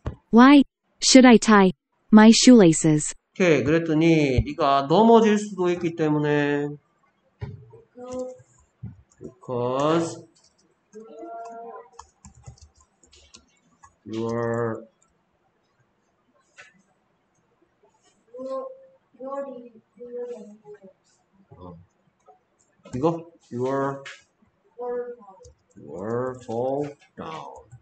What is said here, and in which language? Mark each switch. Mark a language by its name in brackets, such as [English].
[English] Why should I tie my shoelaces? 오케이. [Korean] 그랬더니 네가 넘어질 수도 있기 때문에. [English] Because you are fall down.